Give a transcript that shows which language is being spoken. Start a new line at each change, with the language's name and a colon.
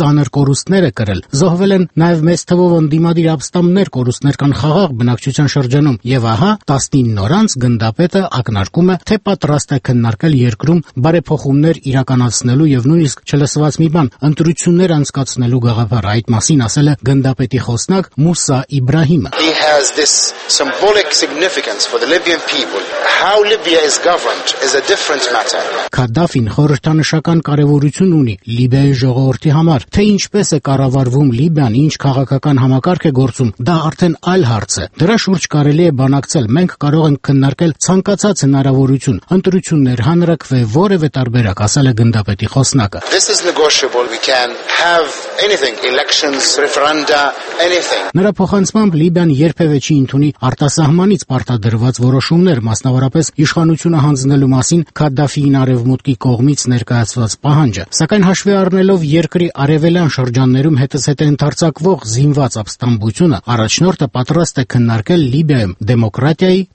Armenian: ներ կորուստները կրել, զոհվել են նաև մեծ թվով ընդդիմադիր ապստամբներ, կորուստներ կան խաղաղ բնակչության շրջանում, և ահա 19 օր անց գնդապետը ակնարկում է, թե պատրաստ է քննարկել երկրում բարեփոխումներ իրականացնելու և նույնիսկ չլսված մի բան ընտրություններ անցկացնելու գաղափարը։ Այդ մասին ասել է գնդապետի խոսնակ Մուսա Իբրահիմը։
English: Has this symbolic significance for the Libyan people. How Libya is governed is a different matter.
Armenian: Քադաֆին խորհրդանշական կարևորություն ունի Լիբիայի ժողովրդի համար, թե ինչպես է կառավարվում Լիբիան, ինչ քաղաքական համակարգ է գործում, դա արդեն այլ հարց է։ Դրա շուրջ կարելի է բանակցել, մենք կարող ենք քննարկել ցանկացած հնարավորություն, ընտրություններ, հանրակրվե որևէ տարբերակ, ասել է գնդապետի խոսնակը։
English: This is negotiable. We can have anything, elections, referenda, anything.
Armenian: Նրա փոխանցմամբ Լիբիան երբևէ չի ընդունի արտասահմանից պարտադրված որոշումներ, մասնավորապես իշխանությունը հանձնելու մասին Քադաֆիին արևմուտքի կողմից ներկայացված պահանջը, սակայն հաշվի առնելով երկրի արևելյան շրջաններում հետզհետե ընդարձակվող զինված ապստամբությունը, առաջնորդը պատրաստ է քննարկել Լիբիայում դեմոկրատիայի,